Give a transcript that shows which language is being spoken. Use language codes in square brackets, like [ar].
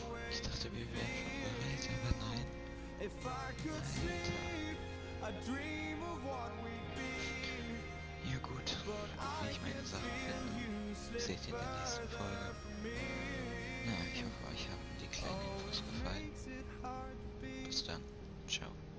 [de] Ich dachte, wir wären schon bereit, aber nein. [en] If I could sleep, a dream of what we'd be. [de] Ja gut, wie ich meine Sachen finde, seht ihr in der nächsten Folge. Na, ich hoffe, euch haben die kleinen Infos gefallen. Bis dann, ciao.